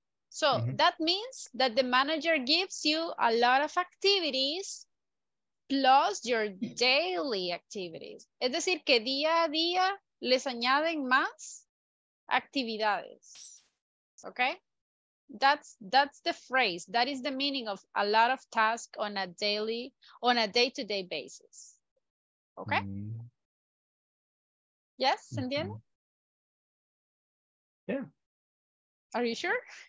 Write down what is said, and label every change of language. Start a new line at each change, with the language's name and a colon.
English: So that means that the manager gives you a lot of activities plus your daily activities.
Spanish: Es decir, que día a día les añaden más actividades.
English: Okay, that's the phrase, that is the meaning of a lot of tasks on a daily, on a day-to-day basis. Okay. Mm-hmm. Yes, Sandiana? Mm-hmm. Yeah, are you sure?